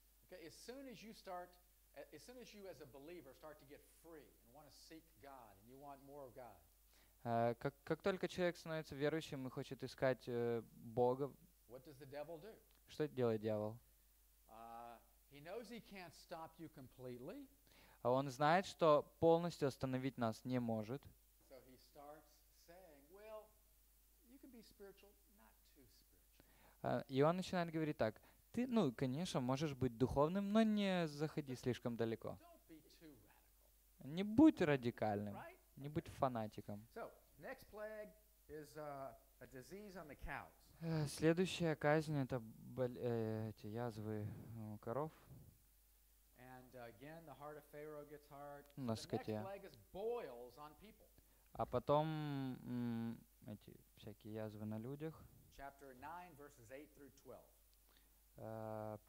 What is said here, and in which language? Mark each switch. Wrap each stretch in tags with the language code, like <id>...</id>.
<en>Okay, as soon as you start, as soon as you as a believer start to get free and want to seek God and you want more of God.</en> <ru>Как только человек становится верующим и хочет искать Бога,</ru> <en>what does the devil do?</en> <ru>Что делает дьявол?</ru> <en>He knows he can't stop you completely.</en> <ru>А он знает, что полностью остановить нас не может.</ru> <en>So he starts saying, well, you can be spiritual, not too spiritual.</en> <ru>И он начинает говорить так: ты, конечно, можешь быть духовным, но не заходи слишком далеко.</ru> <en>Don't be too radical.</en> <ru>Не будь радикальным,</ru> <en>right?</en> <ru>Не будь фанатиком.</ru> <en>So, next plague is a disease on the cows.</en> <ru>Следующая казнь — это эти язвы у коров.</ru> <en>Again, the heart of Pharaoh gets hard.</en> <ru>На скоте.</ru> <en>The next plague is boils on people.</en> <ru>А потом эти всякие язвы на людях.</ru> <en>Chapter 9, verses 8 through 12.</en>